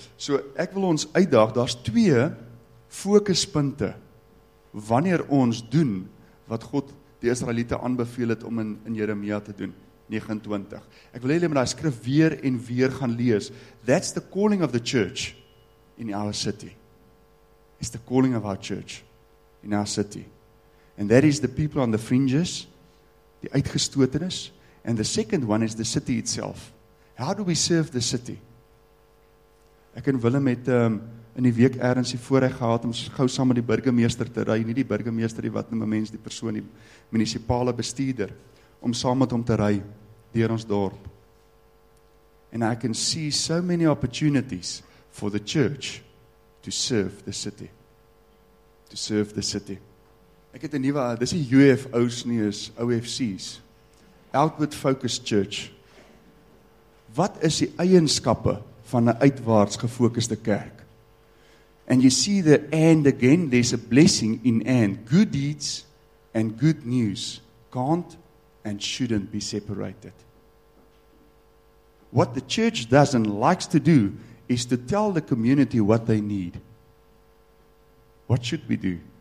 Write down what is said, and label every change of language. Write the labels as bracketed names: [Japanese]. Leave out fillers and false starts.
[Afrikaans] So ek wil ons uitdaag, daar's twee fokuspunte wanneer ons doen wat God die Israeliete aanbeveel het om in Jeremia te doen. 29. Ek wil hê jy moet daai skrif weer en weer gaan lees. [English] That's the calling of the church in our city. It's the calling of our church in our city. And that is the people on the fringes, [Afrikaans] die uitgestotenes, [English] and the second one is the city itself. How do we serve the city? [Afrikaans] Ek en Willem het in die week ergens die voorreg gehad om gou saam met die burgemeester te ry, nie die burgemeester die wat noem 'n mens, die persoon, die munisipale bestuurder, om saam met hom te ry deur ons dorp. [English] And I can see so many opportunities for the church to serve the city. To serve the city. [Afrikaans] Ek het 'n nuwe, dis die UFO's nie, is OFC's. [English] Outward Focused Church. [Afrikaans] Wat is die eienskappe van 'n uitwaarts gefokuste kerk? [English] And you see the end again, there's a blessing in end. Good deeds and good news can't and shouldn't be separated. What the church does and likes to do is to tell the community what they need. What should we do?